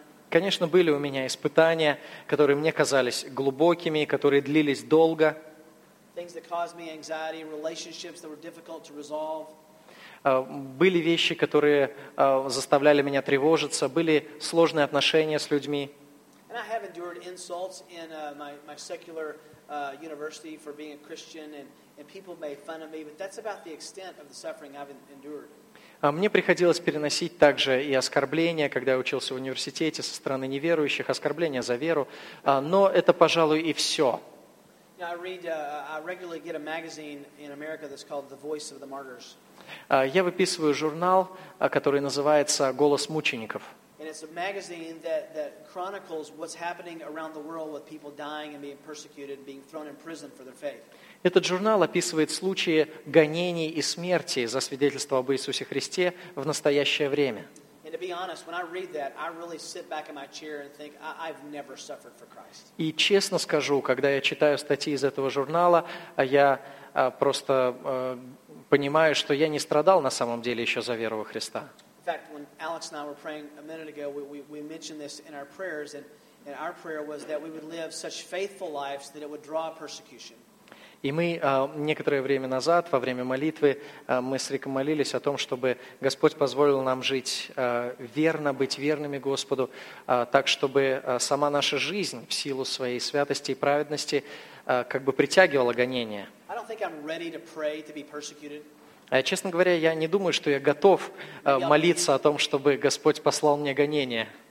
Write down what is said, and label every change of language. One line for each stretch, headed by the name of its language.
Russian: Конечно, были у меня испытания, которые мне казались глубокими, которые длились долго. Были вещи, которые заставляли меня тревожиться, были сложные отношения с людьми. И я не
English: endured insults in my secular university for being a Christian, and people made fun of me, but that's about the extent of the suffering I've endured.
Russian: Мне приходилось переносить также и оскорбления, когда я учился в университете, со стороны неверующих, оскорбления за веру, но это, пожалуй, и все.
English: Now, I regularly get a magazine in America that's called The Voice of the Martyrs.
Russian: Я выписываю журнал, который называется «Голос мучеников».
English: And it's a magazine that chronicles what's happening around the world with people dying and being persecuted and being thrown in prison for their faith.
Russian: Этот журнал описывает случаи гонений и смерти за свидетельство об Иисусе Христе в настоящее время.
English: And to be honest, when I read that, I really sit back in my chair and think, I've never suffered for Christ.
Russian: И честно скажу, когда я читаю статьи из этого журнала, я просто понимаю, что я не страдал на самом деле еще за веру во Христа.
English: In fact, when Alex and I were praying a minute ago, we mentioned this in our prayers, and our prayer was that we would live such faithful lives that it would draw persecution.
Russian: И мы некоторое время назад, во время молитвы, мы с Риком молились о том, чтобы Господь позволил нам жить верно, быть верными Господу, так, чтобы сама наша жизнь в силу своей святости и праведности как бы притягивала гонения.
English: I don't think I'm ready to pray to be persecuted.
Russian: Честно говоря, я не думаю, что я готов молиться о том, чтобы Господь послал мне гонения.